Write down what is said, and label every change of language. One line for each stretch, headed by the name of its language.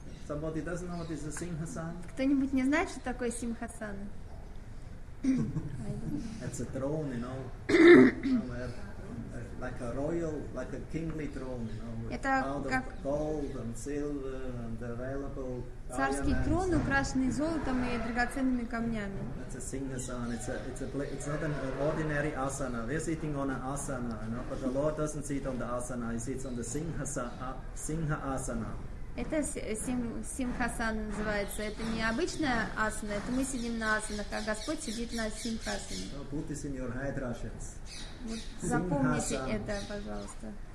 English: Somebody doesn't know what is a Singhasan?
Russian: Кто-нибудь не знает, что такое Singhasan?
English: It's a throne, you know. Like a royal, like a kingly throne, you know, with all the gold and silver and available diamonds.
Russian: Царский трон, украшенный золотом и драгоценными камнями.
English: That's a singhasana. It's not an ordinary asana. We're sitting on an asana, you know, but the Lord doesn't sit on the asana. He sits on the singha asana.
Russian: Это симхасана называется. Это не обычная асана. Это мы сидим на асанах, а Господь сидит на симхасане.
English: So put this in your head, Russians.
Russian: Вот запомните это, пожалуйста.